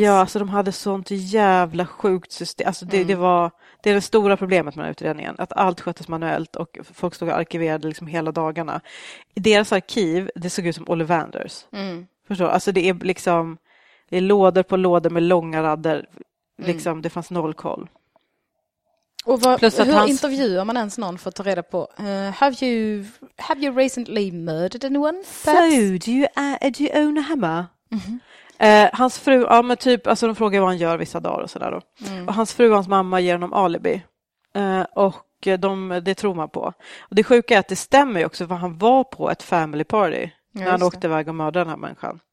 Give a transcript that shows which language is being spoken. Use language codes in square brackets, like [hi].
[sv] Ja, alltså de hade sånt jävla sjukt system. Alltså det är det stora problemet med utredningen, att allt sköttes manuellt och folk stod och arkiverade liksom hela dagarna. I deras arkiv, det såg ut som Ollivanders. Mm. Förstår? Alltså det är liksom, det är lådor på lådor med långa rader. Liksom, det fanns noll koll. Och vad, plus att hur hans... intervjuar man ens någon för att ta reda på? [en] Have you recently murdered anyone? Perhaps? So, do you own a hammer? Mm-hmm. [sv] Hans fru, ja men typ, alltså de frågar vad han gör vissa dagar och sådär då. Mm. Och hans fru och hans mamma ger honom alibi. Och det tror man på. Och det sjuka är att det stämmer ju också, för han var på ett [en] family party. [sv] När han åkte iväg och mördade den här människan.